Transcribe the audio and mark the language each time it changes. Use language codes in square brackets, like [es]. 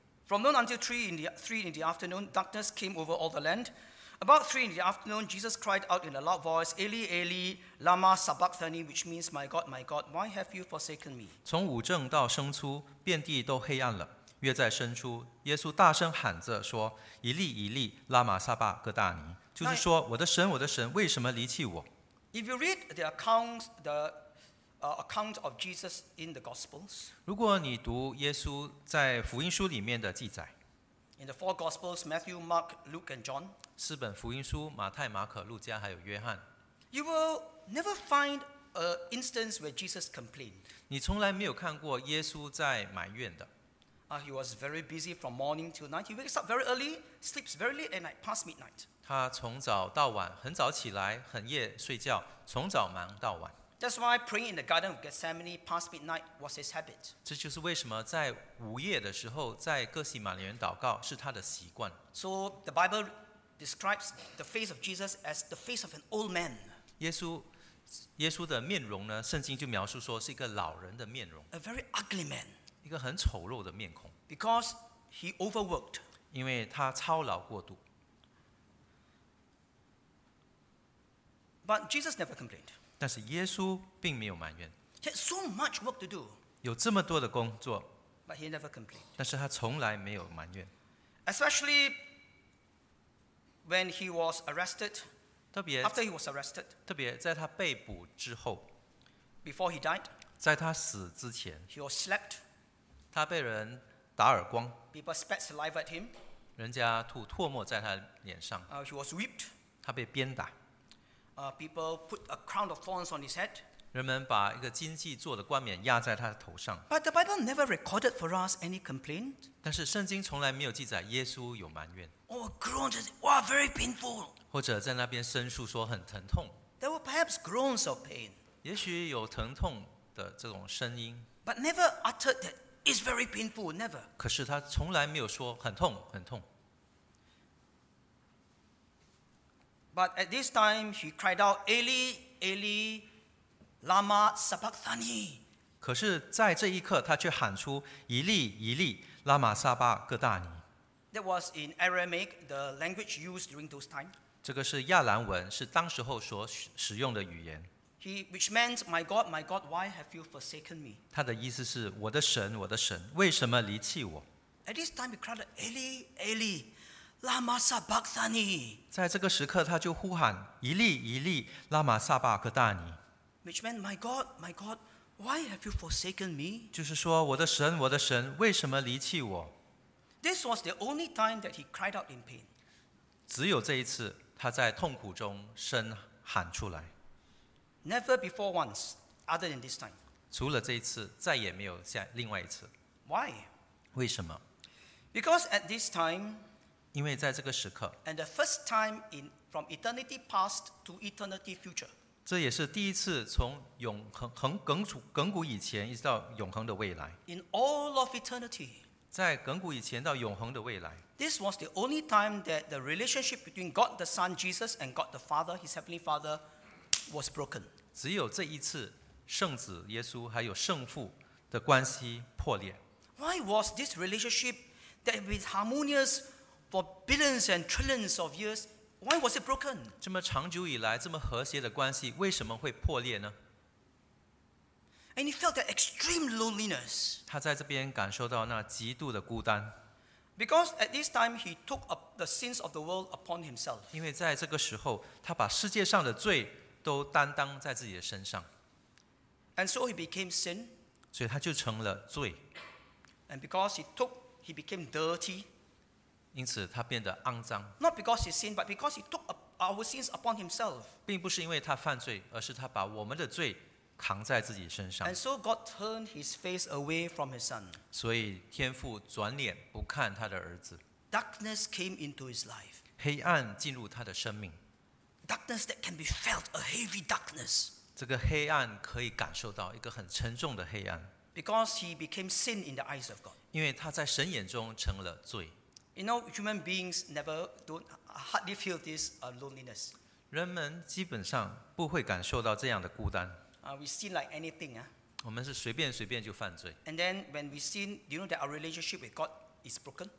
[en] From noon until three in the afternoon, darkness came over all the land. About three in the afternoon, Jesus cried out in a loud voice, [arc] "Eli, Eli, lama sabachthani," [en] which means, "My God, my God, why have you forsaken me?" [zh] 从午正到升初，遍地都黑暗了。约在深处，耶稣大声喊着说：“以利，以利，拉玛撒巴各大尼。” 就是说：“我的神，我的神，为什么离弃我 [en] ？”If you read the accounts, the account of Jesus in the Gospels, [zh] 如果你读耶稣在福音书里面的记载 [en] ，In the four Gospels, Matthew, Mark, Luke, and John, [zh] 四本福音书，马太、马可、路加还有约翰 [en] ，You will never find an instance where Jesus complained. [zh] 你从来没有看过耶稣在埋怨的。 [en] He was very busy from morning till night. He wakes up very early, sleeps very late at night, past midnight. [zh] 他从早到晚，很早起来，很夜睡觉，从早忙到晚。 [en] That's why praying in the Garden of Gethsemane past midnight was his habit. [zh] 这就是为什么在午夜的时候在哥西马利园祷告是他的习惯。 [en] So the Bible describes the face of Jesus as the face of an old man. [zh] 耶稣的面容呢，圣经就描述说是一个老人的面容。 [en] A very ugly man. [zh] 一个很丑陋的面孔 [en] ，because he overworked， [zh] 因为他操劳过度。 [en] But Jesus never complained。 [zh] 但是耶稣并没有埋怨。 [en] He had so much work to do。 [zh] 有这么多的工作。 [en] But he never complained。 [zh] 但是他从来没有埋怨。 [en] Especially when he was arrested。 [zh] 特别。 [en] After he was arrested。 [zh] 特别在他被捕之后。 [en] Before he died。 [zh] 在他死之前。 [en] He was slapped。 [zh] 他被人打耳光 [en] ，People spat saliva at him， [zh] 人家吐唾沫在他脸上 [en] ，He was whipped， [zh] 他被鞭打 [en] ，People put a crown of thorns on his head， [zh] 人们把一个荆棘做的冠冕压在他的头上 [en] ，But the Bible never recorded for us any complaint， [zh] 但是圣经从来没有记载耶稣有埋怨 [en] ，Or groaned， 哇 ，very painful， [zh] 或者在那边申诉说很疼痛 [en] ，There were perhaps groans of pain， [zh] 也许有疼痛的这种声音 [en] ，But never uttered that。 It's very painful, never. [zh] 可是他从来没有说很痛，很痛。 [en] But at this time, he cried out, [arc] "Eli, Eli, lama sabachthani." [zh] 可是在这一刻，他却喊出，"以利，以利，拉玛撒巴各大尼。" [en] That was in Aramaic, the language used during those times. [zh] 这个是亚兰文，是当时候所使用的语言。 [en] He, which meant, "My God, my God, why have you forsaken me?" [zh] 他的意思是，我的神，我的神，为什么离弃我？ [en] At this time, he cried, [arc] "Eli, Eli, lama sabachthani." [zh] 在这个时刻，他就呼喊，一粒一粒，拉玛撒巴克大尼。 [en] Which meant, "My God, my God, why have you forsaken me?" [zh] 就是说，我的神，我的神，为什么离弃我？ [en] This was the only time that he cried out in pain. [zh] 只有这一次，他在痛苦中呻喊出来。 [en] Never before once, other than this time. [zh] 除了这一次，再也没有下另外一次。 [en] Why? [zh] 为什么？ [en] Because at this time, [zh] 因为在这个时刻， [en] and the first time in from eternity past to eternity future. [zh] 这也是第一次从永恒亘古以前一直到永恒的未来。 [en] In all of eternity. [zh] 在亘古以前到永恒的未来。 [en] This was the only time that the relationship between God the Son Jesus and God the Father, His Heavenly Father. Was broken. [zh] 只有这一次，圣子耶稣还有圣父的关系破裂。 [en] Why was this relationship that had been harmonious for billions and trillions of years? Why was it broken? [zh] 这么长久以来，这么和谐的关系，为什么会破裂呢？ [en] And he felt that extreme loneliness. [zh] 他在这边感受到那极度的孤单。 [en] Because at this time he took up the sins of the world upon himself. [zh] 因为在这个时候，他把世界上的罪都担当在自己的身上。 [en] And so he became sin. [zh] 所以他就成了罪。 [en] And because he took, he became dirty. [zh] 因此他变得肮脏。 [en] Not because he sinned, but because he took our sins upon himself. [zh] 并不是因为他犯罪，而是他把我们的罪扛在自己身上。 [en] And so God turned his face away from his son. [zh] 所以天父转脸不看他的儿子。 [en] Darkness came into his life. [zh] 黑暗进入他的生命。 [en] Darkness that can be felt, a heavy darkness. [zh] 这个黑暗可以感受到一个很沉重的黑暗。 [en] Because he became sin in the eyes of God. [zh] 因为他在神眼中成了罪。 [en] You know, human beings hardly feel this loneliness. [zh] 人们基本上不会感受到这样的孤单。 [en] We sin like anything. [zh] 我们是随便随便就犯罪。 [en] And then when we sin, do you know that our relationship with God is broken?